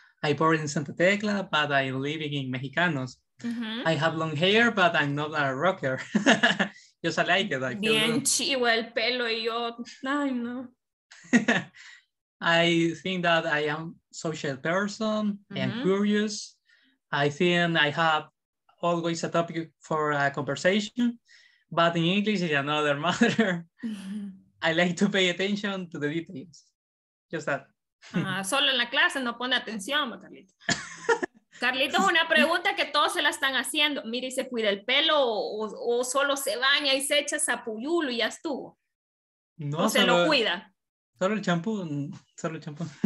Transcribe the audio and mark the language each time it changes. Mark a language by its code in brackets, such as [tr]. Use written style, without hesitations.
[en] I born in Santa Tecla, but I'm living in Mexicanos. Mm-hmm. I have long hair, but I'm not a rocker. Just like it. [es] Bien chivo el pelo y yo, ay no. [en] I think that I am a social person mm-hmm. and curious. I think I have always a topic for a conversation, but in English is another matter. I like to pay attention to the details. Just that. [es] Solo en la clase no pone atención, Carlito. Carlito, una pregunta que todos se la están haciendo. Mire, ¿se cuida el pelo o solo se baña y se echa sapuyulo y ya estuvo? No, ¿o se lo cuida? Solo el champú, solo el champú.